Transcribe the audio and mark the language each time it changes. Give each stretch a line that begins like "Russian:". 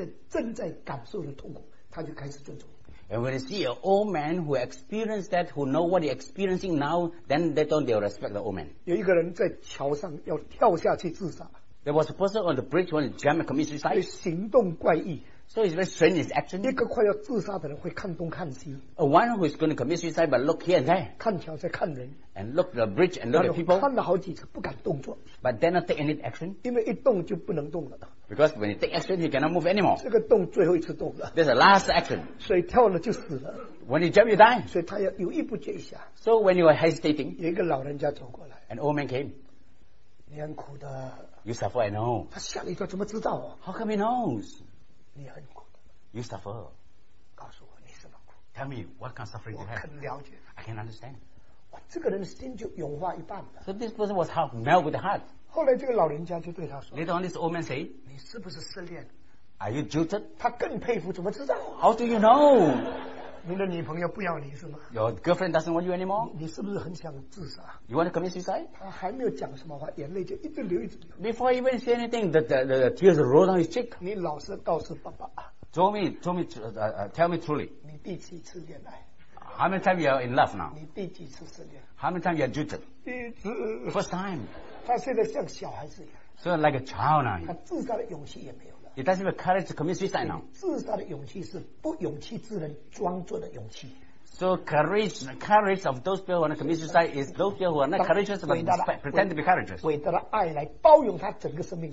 Chinese: 看见老人经历走过明白深入体会他现在正在感受的痛苦他就开始遵从
English: And when you see an old man who experienced that who know what he's experiencing now then they don't respect the old man
Chinese: 有一个人在桥上要跳下去自杀
English: There was a person on the bridge when he jumped and committed suicide.
Chinese: 所以行动怪异。
English: So it's very strange his action.
Chinese: 一个快要自杀的人会看东看西。
English: One who is going to commit suicide but look here and there.
Chinese: 看桥在看人。
English: And look the bridge and look at people.
Chinese: 看了好几次不敢动作。
English: But then not take any action.
Chinese: 因为一动就不能动了。
English: Because when he takes action, he cannot move anymore.
Chinese: 这个动最后一次动了。
English: There's a last action.
Chinese: 水跳了就死了。
English: When he jumps, you die.
Chinese: 所以他要犹豫不决一下。
English: So when you are hesitating.
Chinese: 有一个老人家走过来。
English: An old man came.
Chinese: 你很苦的。
English: You suffer, I know.
Chinese: 他吓了一跳，怎么知道？
English: How come he knows?
Chinese: 你很苦的,
English: you suffer.
Chinese: 告诉我你什么苦?
English: Tell me what kind of suffering you have.
Chinese: 我很了解,
English: I can understand.
Chinese: 我这个人心就融化一半了,
English: so this person was half melted with the heart.
Chinese: 后来这个老人家就对他说,
English: later on, this old man said,
Chinese: 你是不是失恋?
English: Are you jilted?
Chinese: 他更佩服,
English: how do you know?
Chinese: 你的女朋友不要你是吗?
English: Your girlfriend doesn't want you anymore?
Chinese: 你是不是很想自杀?
English: You want to commit suicide?
Chinese: 他还没有讲什么话, 眼泪就一直流一直流。
English: Before he even said anything, the tears rolled down his cheek.
Chinese: 你老实告诉爸爸,
English: tell me truly.
Chinese: 你第几次恋爱?
English: How many times you are in love now?
Chinese: 你第几次失恋?
English: How many times you are jilted?
Chinese: 一直,
English: first time.
Chinese: 他现在像小孩子一样。
English: So like a child now.
Chinese: 他自杀的勇气也没有。
English: It doesn't have courage to commit suicide now.
Chinese: 自杀的勇气是不勇气之人装作的勇气。
English: So courage of those people who want to commit suicide is those people who are not courageous but pretend to be courageous.
Chinese: 伟大的爱来包容他整个生命。